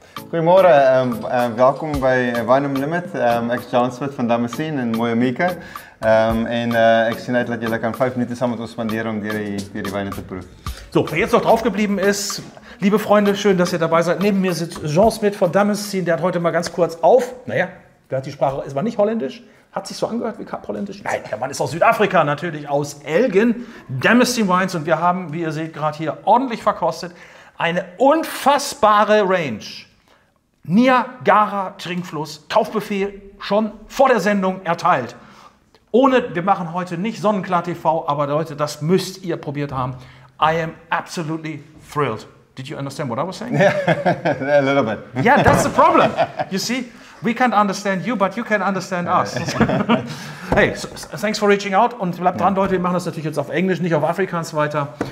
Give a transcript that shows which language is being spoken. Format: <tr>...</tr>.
<nl>Goedemorgen, welkom bij Wine Limit. Ik ben Jean Smit van Damascene en Moya Meaker. Ik zie uit dat jullie aan 5 minuten samen te spenderen om die wijnen te proeven.</nl> <de>Zo, wer jetzt noch draufgeblieben is, liebe Freunde, schön, dass ihr dabei seid. Neben mir sitzt Jean Smit von Damascene. Der hat heute mal ganz kurz auf. Naja, der hat die Sprache, es war nicht holländisch. Hat sich so angehört wie kapholländisch? Nein, der Mann ist aus Südafrika, natürlich aus Elgin. Damascene Wines und wir haben, wie ihr seht, gerade hier ordentlich verkostet. Eine unfassbare Range. Niagara-Trinkfluss, Kaufbefehl schon vor der Sendung erteilt. Ohne, wir machen heute nicht Sonnenklar-TV, aber Leute, das müsst ihr probiert haben.</de> <en>I am absolutely thrilled. Did you understand what I was saying? Yeah, a little bit. Yeah, that's the problem. You see, we can't understand you, but you can understand us. Hey, so, thanks for reaching out.</en> <de>Und bleibt dran, Leute, wir machen das natürlich jetzt auf Englisch, nicht auf Afrikaans weiter.</de>